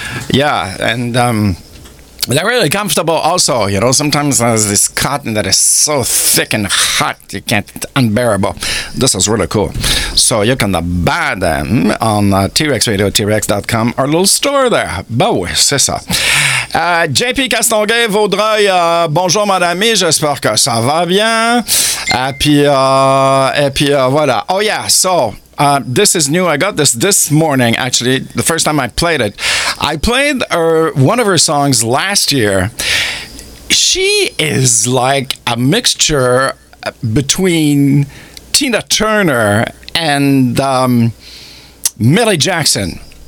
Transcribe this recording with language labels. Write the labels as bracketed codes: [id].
[en] Yeah, and they're really comfortable also, you know. Sometimes there's this cotton that is so thick and hot, you can't, unbearable. This is really cool. So you can buy them on T-Rex Radio, T-Rex.com, our little store there. [fr] Bah oui, c'est ça. JP Castonguay, Vaudreuil, bonjour, madame, j'espère que ça va bien. Et puis, voilà. [en] Oh yeah, so, this is new. I got this morning, actually, the first time I played it. I played one of her songs last year. She is like a mixture between Tina Turner and Millie Jackson.